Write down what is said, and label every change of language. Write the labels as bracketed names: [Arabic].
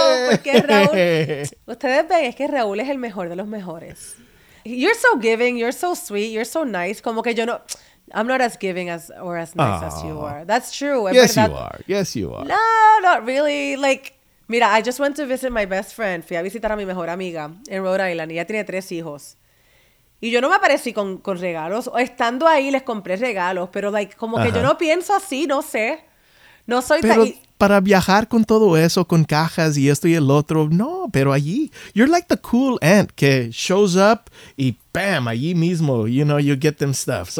[Spanish] Porque Raúl, ustedes ven, es que Raúl es el mejor de los mejores. [English] You're so giving, you're so sweet, you're so nice. [Spanish] Como que yo no, [English] I'm not as giving as or as nice as you are. That's true. Yes, you are. No, not really. Like, mira, I just went to visit my best friend. [Spanish] Fui a visitar a mi mejor amiga en Rhode Island. Ella tiene 3 hijos. Y yo no me aparecí con regalos. Estando ahí, les compré regalos. Pero, like, como que yo no pienso así, no sé. No soy tan... para viajar con todo eso, con cajas y esto y el otro. No, pero allí. [English] You're like the cool aunt [Spanish] que [English] shows up [Spanish] y bam, allí mismo, [English] you know, you get them stuff. So,